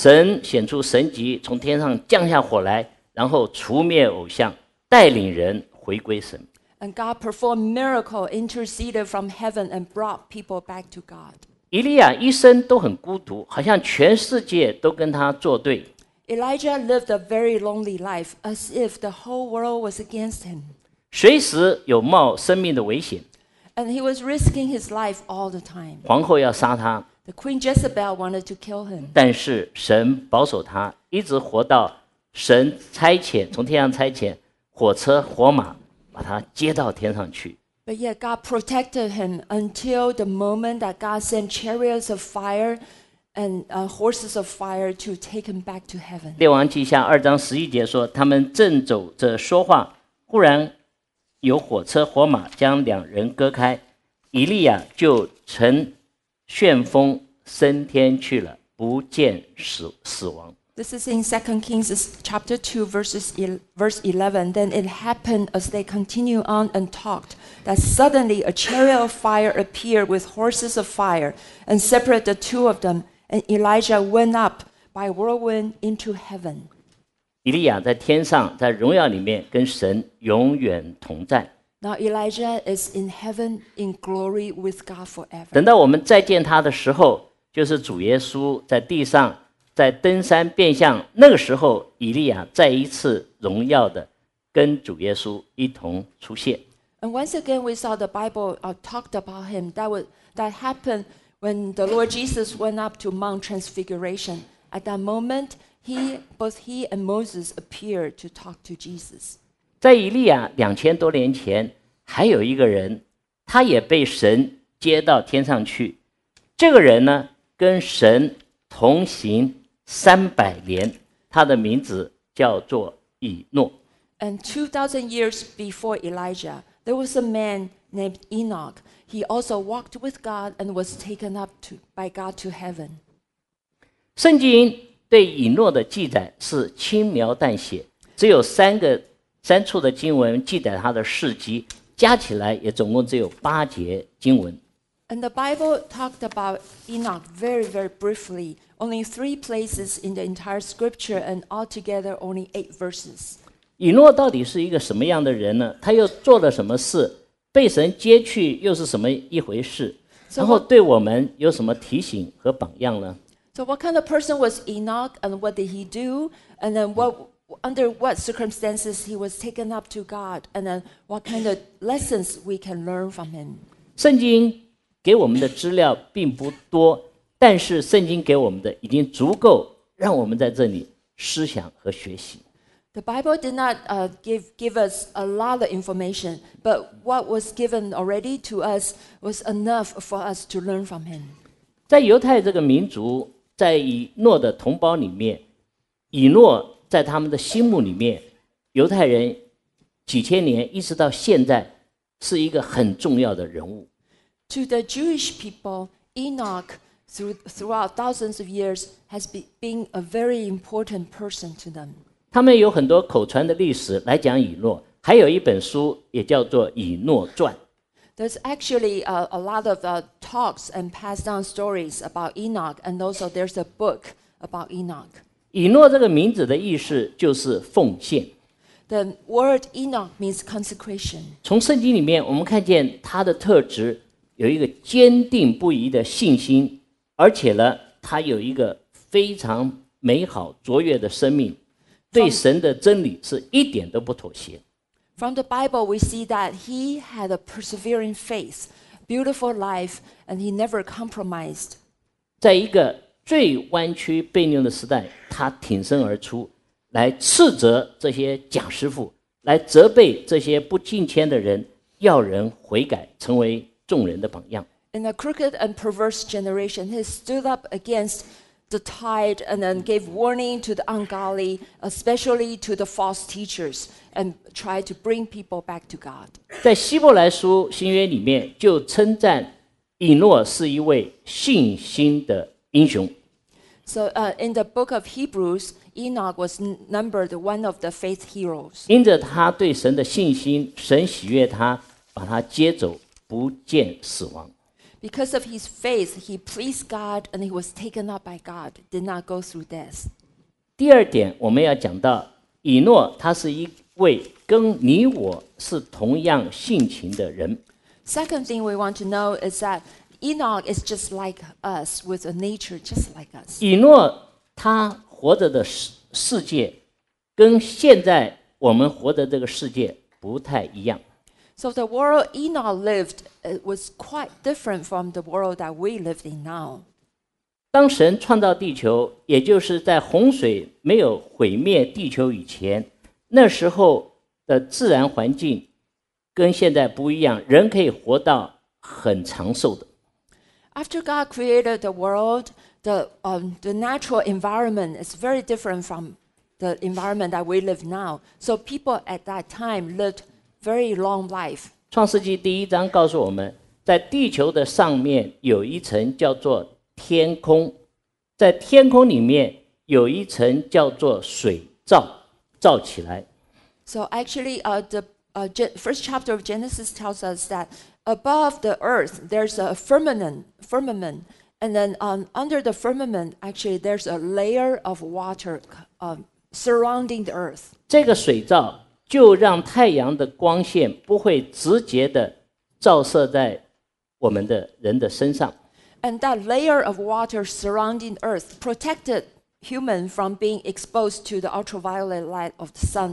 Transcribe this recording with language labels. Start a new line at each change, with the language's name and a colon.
Chinese: 神显出神迹，从天上降下火来，然后除灭偶像，带领人回归神。
English: And God performed miracle, interceded from heaven, and brought people back to God.
Chinese: 以利亚一生都很孤独，好像全世界都跟他作对。
English: Elijah lived a very lonely life, as if the whole world was against him.
Chinese: 随时有冒生命的危险。
English: And he was risking his life all the time.
Chinese: 皇后要杀他。
English: The Queen Jezebel wanted to kill him.
Chinese: 但是神保守他，一直活到神差遣，从天上差遣火车火马。把他接到天上去。
English: But yet God protected him until the moment that God sent chariots of fire and horses of fire to take him back to heaven.
Chinese: 列王记下二章十一节说，他们正走着说话，忽然有火车火马将两人割开，以利亚就乘旋风升天去了，不见死亡。
English: This is in 2 Kings chapter 2, verse 11. Then it happened as they continued on and talked that suddenly a chariot of fire appeared with horses of fire and separated the two of them. And Elijah went up by whirlwind into heaven.
Chinese: 以利亚在天上，在荣耀里面跟神永远同在。
English: Now Elijah is in heaven in glory with God forever.
Chinese: 等到我们再见他的时候，就是主耶稣在地上在登山变相，那个时候以利亚再一次荣耀的跟主耶稣一同出现。
English: And once again we saw the Bible talked about him. That happened when the Lord Jesus went up to Mount Transfiguration. At that moment, both he and Moses appeared to talk to Jesus.
Chinese: 在以利亚两千多年前，还有一个人，他也被神接到天上去。这个人呢，跟神同行三百年，他的名字叫做以诺。
English: And 2,000 years before Elijah, there was a man named Enoch. He also walked with God and was taken up by God to heaven.
Chinese: 圣经对以诺的记载是轻描淡写，只有三处的经文记载他的事迹，加起来也总共只有八节经文。
English: And the Bible talked about Enoch very, very briefly. Only three places in the entire scripture and altogether only eight verses.
Chinese: 以诺到底是一个什么样的人呢？他又做了什么事？被神接去又是什么一回事？然后对我们有什么提醒和榜样呢？
English: So what kind of person was Enoch and what did he do? And then under what circumstances he was taken up to God? And then what kind of lessons we can learn from him?
Chinese: 圣经给我们的资料并不多，但是圣经给我们的已经足够让我们在这里思想和学习。
English: The Bible did not give us a lot of information, but what was given already to us was enough for us to learn from him.
Chinese: 在犹太这个民族，在以诺的同胞里面，以诺在他们的心目里面，犹太人几千年一直到现在是一个很重要的人物。
English: To the Jewish people, Enoch, throughout thousands of years, has been a very important person to them.
Chinese: 他们有很多口传的历史来讲以诺，还有一本书也叫做《以诺传》。
English: There's actually a lot of talks and passed down stories about Enoch, and also there's a book about Enoch.
Chinese: 以诺这个名字的意思就是奉献。
English: The word Enoch means consecration.
Chinese: 从圣经里面我们看见他的特质。有一个坚定不移的信心，而且呢，他有一个非常美好卓越的生命，对神的真理是一点都不妥协。
English: From the Bible, we see that he had a persevering faith, beautiful life, and he never compromised.
Chinese: 在一个最弯曲悖谬的时代，他挺身而出，来斥责这些假师父，来责备这些不敬虔的人，要人悔改，成为众人的榜样。
English: In a crooked and perverse generation, he stood up against the tide and then gave warning to the ungodly, especially to the false teachers, and tried to bring people back to God.
Chinese: 在希伯来书新约里面就称赞以诺是一位信心的英雄。
English: So, in the book of Hebrews, Enoch was numbered one of the faith heroes.
Chinese: 因着他对神的信心，神喜悦他，把他接走。不见死亡。
English: Because of his faith, he pleased God and he was taken up by God, did not go through death.
Chinese: 第二点，我们要讲到以诺，他是一位跟你我是同样性情的人。
English: Second thing we want to know is that Enoch is just like us, with a nature just like us.
Chinese: 以诺他活着的世界跟现在我们活的这个世界不太一样。
English: So the world Enoch lived was quite different from the world that we live in now.
Chinese: 当神创造地球，也就是在洪水没有毁灭地球以前，那时候的自然环境跟现在不一样，人可以活到很长寿的。
English: After God created the world, the natural environment is very different from the environment that we live now. So people at that time lived very long life.
Chinese: 创世纪第一章告诉我们，在地球的上面有一层叫做天空，在天空里面有一层叫做水罩罩起来。
English: So actually, first chapter of Genesis tells us that above the earth there's a firmament, and then under the firmament actually there's a layer of water surrounding the earth.
Chinese: 这个水罩就让太阳的光线不会直接的照射在我们的人的身上。
English: And that layer of water surrounding earth protected human from being exposed to the ultraviolet light of the sun.